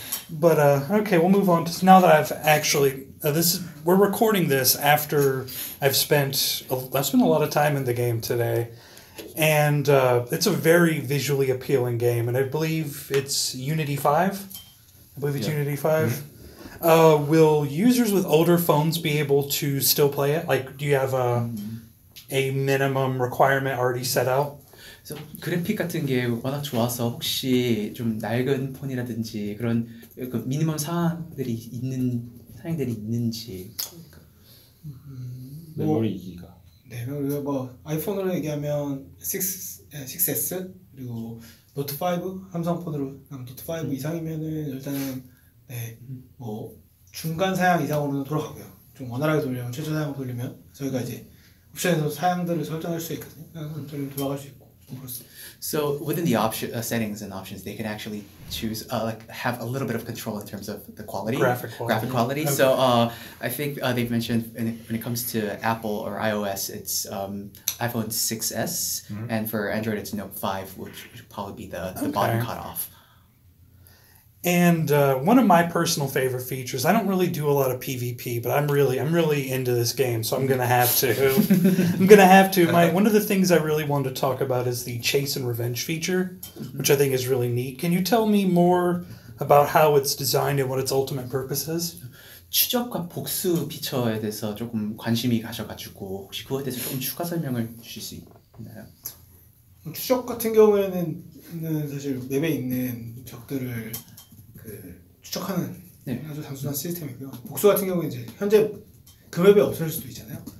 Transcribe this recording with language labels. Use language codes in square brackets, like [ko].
[en] But okay, we'll move on to now that I've actually we're recording this after I've spent a lot of time in the game today, and it's a very visually appealing game, and I believe it's Unity 5. Unity 5. Mm-hmm. Will users with older phones be able to still play it? Like, do you have a minimum requirement already set out? [ko] 그래서 그래픽 같은 게 워낙 좋아서 혹시 좀 낡은 폰이라든지 그런 그 미니멈 사항들이 있는 사항들이 있는지 메모리 기가 네 메모리 뭐 아이폰으로 얘기하면 6S 그리고 노트 5 삼성폰으로 노트 5 이상이면은 일단은 네 뭐 중간 사양 이상으로는 돌아가고요. 좀 원활하게 돌리면 최저 사양으로 돌리면 저희가 이제 옵션에서 사양들을 설정할 수 있거든요. 좀 돌아갈 수 있고. [en] So within the option settings and options, they can actually choose have a little bit of control in terms of the quality, graphic quality. Okay. So I think they've mentioned when it comes to Apple or iOS, it's iPhone 6S, mm-hmm. and for Android, it's Note 5, which would probably be the okay. bottom cutoff. And one of my personal favorite features, I don't really do a lot of PvP, but I'm really into this game, so I'm gonna have to. One of the things I really wanted to talk about is the chase and revenge feature, which I think is really neat. Can you tell me more about how it's designed and what its ultimate purpose is? [ko] 추적과 복수 피처에 대해서 조금 관심이 가셔가지고 혹시 그거에 대해서 조금 추가 설명을 주실 수 있나요? 추적 같은 경우에는 사실 맵에 있는 적들을 그 추적하는 네. 아주 단순한 시스템이고요. 복수 같은 경우에 이제 현재 그 맵에 없어질 수도 있잖아요.